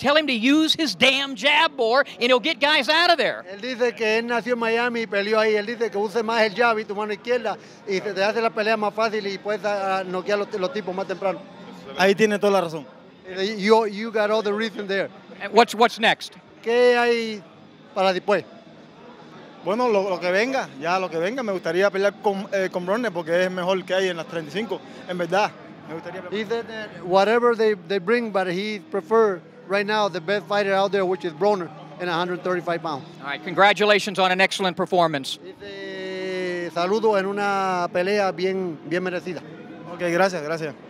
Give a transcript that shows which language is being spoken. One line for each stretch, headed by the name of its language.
English: Tell him to use his damn jab, Bor, and he'll get guys out of there.
Spanish: Él dice que él nació en Miami y peleó ahí. Él dice que use más el jab y tu mano izquierda, y se te hace la pelea más fácil y puedes noquear los tipos más temprano. Ahí tiene toda la razón.
English: You got all the reason there. What's next?
Spanish: ¿Qué hay para después? Bueno, lo que venga, ya lo que venga. Me gustaría pelear con Bronner porque es mejor que hay en las 35. En verdad, me gustaría pelear.
English: He said that whatever they bring, but he prefers right now the best fighter out there, which is Bronner, in 135 pounds. All right, congratulations on an excellent performance.
Spanish: Saludo en una pelea bien, bien merecida. Okay, gracias, gracias.